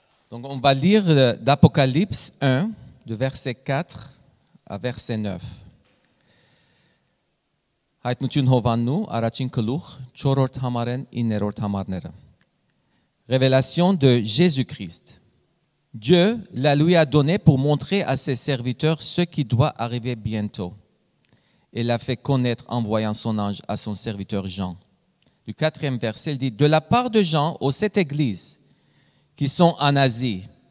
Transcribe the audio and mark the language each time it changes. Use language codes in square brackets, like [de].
[fr] Donc on va lire d'Apocalypse 1, de verset 4 à verset 9. [hy] Հայտնություն հովաննու առաջին գլուխ 4-րդ համարեն 9-րդ համարները. [fr] Révélation de Jésus-Christ. Dieu la lui a donnée pour montrer à ses serviteurs ce qui doit arriver bientôt. Il l'a fait connaître en voyant son ange à son serviteur Jean. Du quatrième verset, il dit « De la part de Jean aux sept églises, qui sont en Asie.